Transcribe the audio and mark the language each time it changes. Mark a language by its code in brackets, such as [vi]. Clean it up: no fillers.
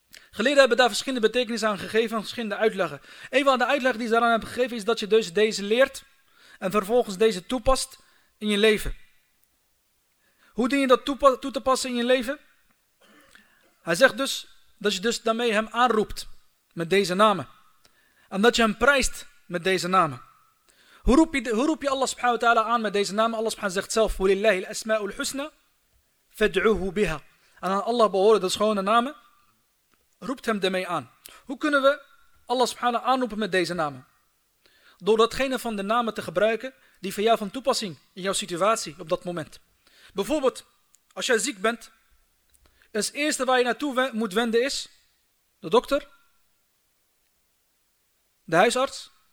[nl] Geleerden hebben daar verschillende betekenissen aan gegeven en verschillende uitleggen. Een van de uitleggen die ze daaraan hebben gegeven is dat je dus deze leert en vervolgens deze toepast in je leven. Hoe dien je dat toe te passen in je leven? Hij zegt dus dat je dus daarmee hem aanroept met deze namen. En dat je hem prijst met deze namen. Hoe roep je Allah subhanahu wa ta'ala aan met deze namen? Allah subhanahu zegt zelf, [ar] وَلِلَّهِ الْأَسْمَاءُ الْحُسْنَ فَدْعُوهُ بِهَا. [nl] En aan Allah behoren de schone namen, roept hem daarmee aan. Hoe kunnen we Allah subhanahu wa ta'ala aanroepen met deze namen? Door datgene van de namen te gebruiken die voor jou van toepassing in jouw situatie op dat moment. Bijvoorbeeld, als jij ziek bent, is het eerste waar je naartoe moet wenden is de dokter, de huisarts.